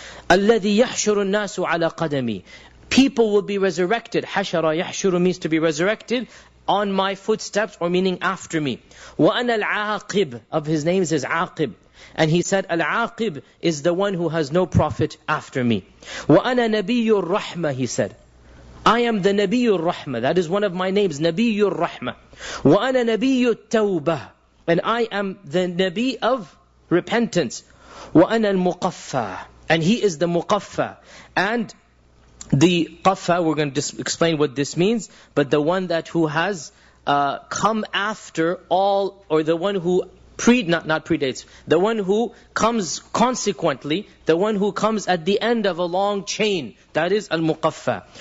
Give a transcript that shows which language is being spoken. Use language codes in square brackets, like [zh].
[ar] Alladhi yahshuru an-nasu ala qadami. [en] People will be resurrected. Hashara yahshuru means to be resurrected. On my footsteps, or meaning after me. [ar] وَأَنَا الْعَاقِبْ, [en] of his names is عَاقِبْ. And he said, الْعَاقِبْ is the one who has no prophet after me. [ar] وَأَنَا نَبِيُّ الرَّحْمَةِ, [en] he said. I am the نَبِيُّ الرَّحْمَةِ, that is one of my names, نَبِيُّ الرَّحْمَةِ. [ar] وَأَنَا نَبِيُّ التَّوْبَةِ, [en] and I am the Nabi of repentance. [ar] وَأَنَا الْمُقَفَّى, [en] and he is the مُقَفَّى. And the qaffa, we're going to explain what this means, but the one that who has come after all, or the one who predates, the one who comes consequently, the one who comes at the end of a long chain, that is al-muqaffa.